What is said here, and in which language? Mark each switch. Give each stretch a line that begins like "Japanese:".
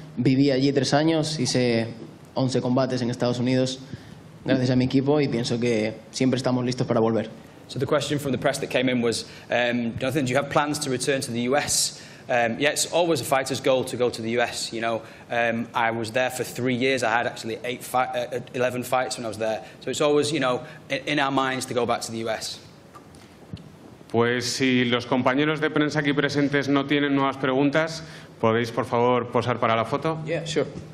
Spanish: Viví allí 3 años, hice 11 combates en Estados Unidos gracias a mi equipo y pienso que siempre estamos listos para volver.
English: So the question from the press that came in was, Jonathan, do you have plans to return to the US? Yeah, it's always a fighter's goal to go to the US. You know, I was there for 3 years. I had actually 11 fights when I was there. So it's always, you know, in our minds to go back to the US.
Spanish: Pues si los compañeros de prensa aquí presentes no tienen nuevas preguntas, ¿podéis por favor posar para la foto?
English: Yeah, sure.